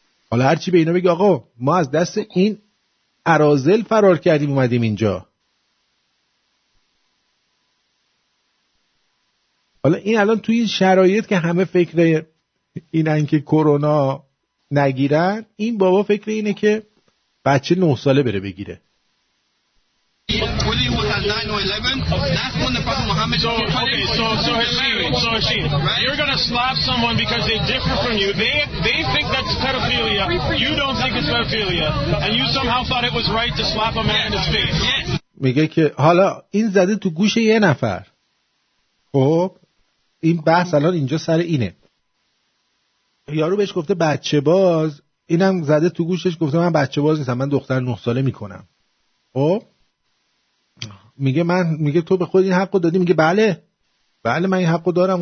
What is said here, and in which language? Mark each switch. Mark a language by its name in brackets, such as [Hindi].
[Persian] حالا هرچی به اینا بگی آقا ما از دست این عرازل فرار کردیم اومدیم اینجا، حالا این الان توی این شرایط که همه فکر اینن که کرونا نگیرن، این بابا فکر اینه که بچه 9 ساله بره بگیره. [English] You're going to slap someone because they differ from you. They think that's pedophilia. You don't think it's pedophilia. And you somehow thought it was right to slap a man in his face. [Persian] میگه که حالا این زده تو گوش یه نفر. خب این بحث الان اینجا سر اینه. یارو بهش گفته بچه باز، اینم زده تو گوشش گفته من بچه باز نیستم، من دختر 9 ساله میکنم. خب میگه من، میگه تو به خود این حقو دادی؟ میگه بله بله من این حقو دارم.